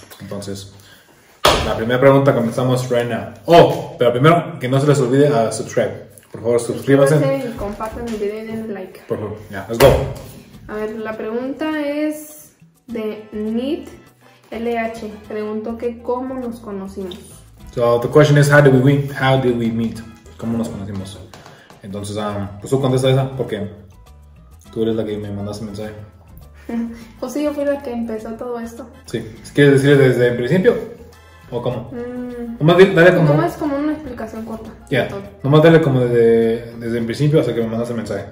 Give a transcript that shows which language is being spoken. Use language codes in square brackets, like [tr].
[es] Entonces, la primera pregunta comenzamos [en] right now. [es] Oh, pero primero, que no se les olvide a subscribe. Por favor, suscríbanse. Y compartan el video y denle like. Por favor, ya, [en] let's go. [es] A ver, la pregunta es de Neat LH. Preguntó que cómo nos conocimos. [en] So, the question is, how did we meet? [es] ¿Cómo nos conocimos? Entonces, pues tú contesta esa, porque tú eres la que me mandaste mensaje. Pues sí, yo fui la que empezó todo esto. Sí, ¿quieres decir desde el principio? ¿O cómo? Nomás como una explicación corta. Ya. Yeah. Nomás dale como desde el principio hasta que me mandas el mensaje.